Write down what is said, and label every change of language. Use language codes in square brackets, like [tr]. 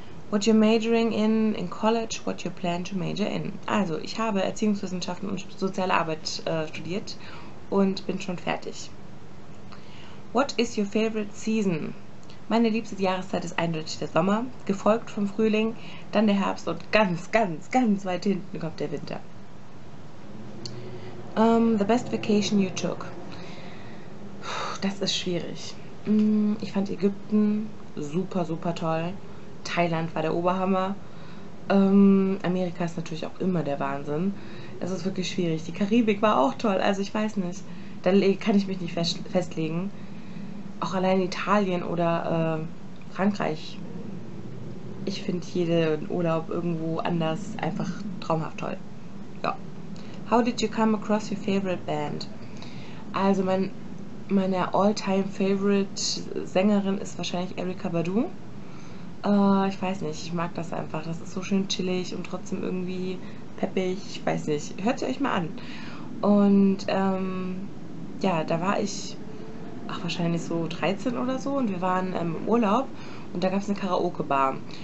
[en] What you're majoring in college, what you plan to major in. [de] Also, ich habe Erziehungswissenschaften und soziale Arbeit studiert und bin schon fertig. [en] What is your favorite season? [de] Meine liebste Jahreszeit ist eindeutig der Sommer, gefolgt vom Frühling, dann der Herbst und ganz, ganz, ganz weit hinten kommt der Winter. [en] The best vacation you took. [de] Das ist schwierig. Ich fand Ägypten super, super toll. Thailand war der Oberhammer. Amerika ist natürlich auch immer der Wahnsinn. Es ist wirklich schwierig. Die Karibik war auch toll. Also ich weiß nicht. Da kann ich mich nicht festlegen. Auch allein Italien oder Frankreich. Ich finde jeden Urlaub irgendwo anders einfach traumhaft toll. Ja. [en] How did you come across your favorite band? [de] Also meine All-Time-Favorite-Sängerin ist wahrscheinlich Erykah Badu. Ich weiß nicht, ich mag das einfach. Das ist so schön chillig und trotzdem irgendwie peppig. Ich weiß nicht. Hört sie euch mal an. Und ja, da war ich ach, wahrscheinlich so 13 oder so und wir waren im Urlaub und da gab es eine Karaoke-Bar.